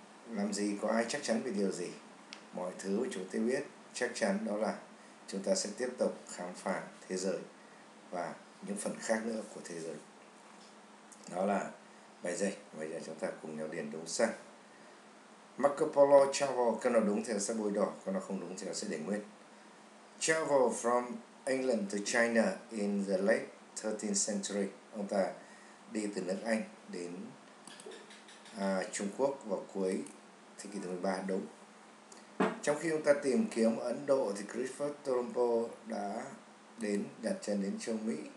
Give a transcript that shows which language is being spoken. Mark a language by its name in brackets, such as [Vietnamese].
[Vietnamese] Làm gì có ai chắc chắn về điều gì. Mọi thứ chúng ta biết chắc chắn đó là chúng ta sẽ tiếp tục khám phá thế giới và những phần khác nữa của thế giới. Đó là bài dịch. Bây giờ chúng ta cùng nhau điền đúng sang. Marco Polo travel, cái nào đúng thì nó sẽ bôi đỏ, cái nào không đúng thì nó sẽ để nguyên. [English] Travel from England to China in the late 13th century. [Vietnamese] Ông ta đi từ nước Anh đến Trung Quốc vào cuối thế kỷ thứ 13, đúng. Trong khi ông ta tìm kiếm Ấn Độ thì Christopher Columbus đã đến đặt chân đến châu Mỹ.